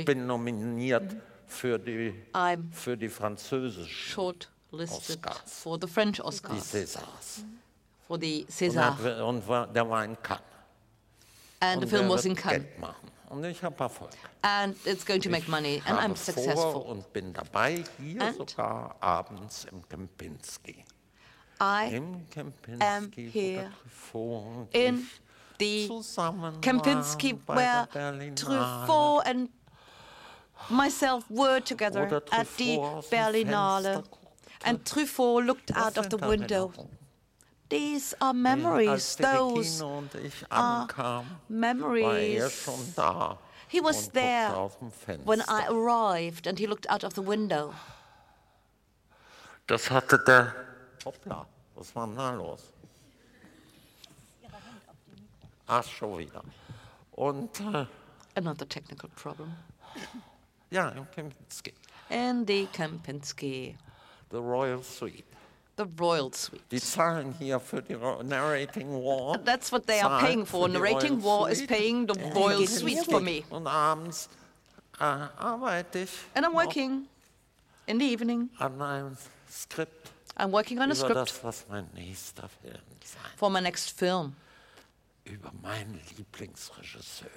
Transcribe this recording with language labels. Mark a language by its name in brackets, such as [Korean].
[German] Ich bin nominiert für die französischen [English] shortlisted for the French Oscars. [German] Die Césars. [English] For the César. [German] Und war in Cannes. [English] And the film was in Cannes. [German] Und ich habe Erfolg. [English] And it's going to make money. And I'm successful. [German] Und bin dabei hier and sogar abends im Kempinski. [English] I Im Kempinski am here in the Kempinski, where Truffaut and myself were together at the Berlinale, and Truffaut looked out of the window. These are memories. Those are memories. He was there when I arrived, and he looked out of the window. [German] Das hatte der. Hoppla, was war da los? Ach, schon wieder. Und, [English] another technical problem. [German] Ja, in Kempinski. [English] In the Kempinski. The Royal Suite. The Royal Suite. [German] Die zahlen hier für die Narrating War. [English] That's what they are paying for. Narrating War is paying the Royal Suite for me. [German] Und abends arbeite ich. [English] And I'm working in the evening. [German] An einem Skript. [English] I'm working on a script. [German] Das, was mein nächster Film sein. [English] For my next film. [German] Über meinen Lieblingsregisseur.